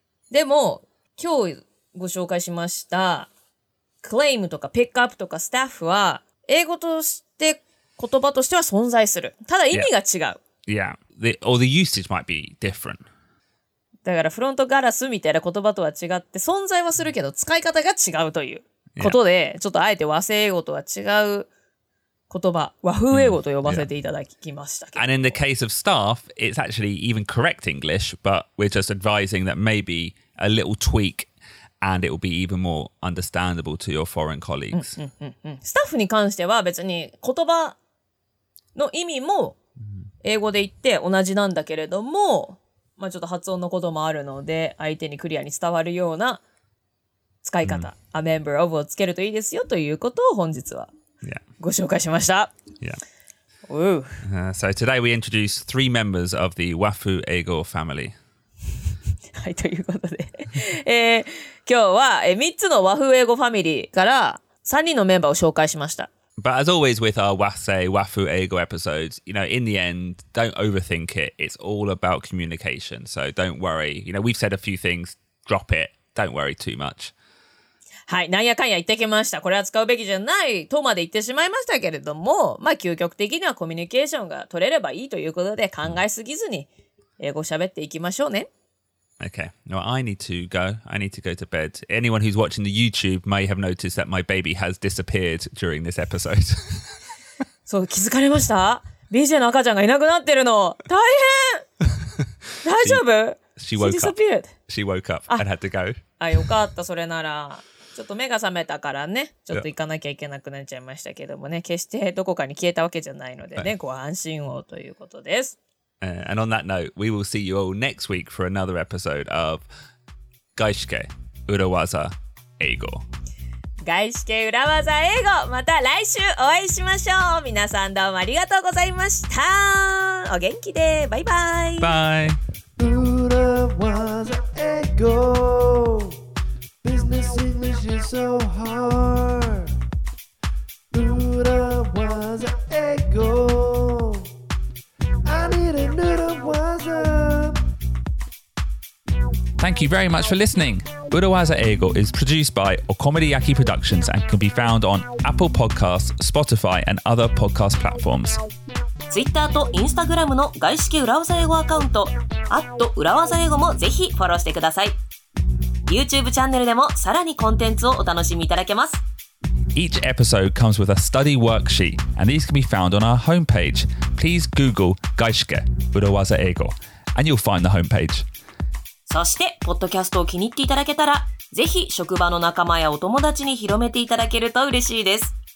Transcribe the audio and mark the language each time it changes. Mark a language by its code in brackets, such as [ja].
[ja] でも、今日ご紹介しました、claim とか pick up とか staff は、英語として、言葉としては存在する。ただ意味が違う。 [en] Yeah. yeah. The, or the usage might be different. [ja] だからフロントガラスみたいな言葉とは違って存在はするけど使い方が違うということで、yeah. ちょっとあえて和製英語とは違う言葉和風英語と呼ばせていただきましたけど、 [en] yeah. And in the case of staff, it's actually even correct English, but we're just advising that maybe a little tweak and it will be even more understandable to your foreign colleagues. [ja] スタッフに関しては別に言葉の意味も英語で言って同じなんだけれどもまあ、ちょっと発音のこともあるので相手にクリアに伝わるような使い方、 [en] A member of [ja] をつけるといいですよということを本日はご紹介しました。 [en] Yeah. Ooh. So today we introduce three members of the Wafu Eigo family. [ja] はい、ということで今日は3つの Wafu Eigo ファミリーから3人のメンバーを紹介しました。 [en] But as always with our Wase, Wafu, Eigo episodes, you know, in the end, don't overthink it. It's all about communication. So don't worry. You know, we've said a few things. Drop it. Don't worry too much. [ja] はい、なんやかんや言ってきました。これは使うべきじゃないとまで言ってしまいましたけれども、まあ究極的にはコミュニケーションが取れればいいということで考えすぎずに英語喋っていきましょうね。 [en] Okay. Now I need to go. I need to go to bed. Anyone who's watching the YouTube may have noticed that my baby has disappeared during this episode. [ja] そう、気づかれました? BJ の赤ちゃんがいなくなってるの。大変!大丈夫? [en] She woke up. She disappeared. She woke up and had to go. [ja] あ、よかった、それなら。ちょっと目が覚めたからね。ちょっと行かなきゃいけなくなっちゃいましたけどもね。決してどこかに消えたわけじゃないのでね。ご安心をということです。 [en] And on that note, we will see you all next week for another episode of Gaishike Urawaza Eigo. [ja] Gaishike Urawaza Eigo! また来週お会いしましょう!皆さんどうもありがとうございました! お元気で!バイバイ! [en] Bye! Urawaza Eigo Business English is so hard Urawaza Eigo Thank you very much for listening. Urawaza Eigo is produced by Okomediyaki Productions and can be found on Apple Podcasts, Spotify and other podcast platforms. [ja] Twitter と Instagram の外資系裏技英語アカウント @urawazaeigo もぜひフォローしてください。 YouTube チャンネルでもさらにコンテンツをお楽しみいただけます。 [en] Each episode comes with a study worksheet, and these can be found on our homepage. Please Google 外資系裏技英語 and you'll find the homepage. [ja] そして、ポッドキャストを気に入っていただけたら、ぜひ職場の仲間やお友達に広めていただけると嬉しいです。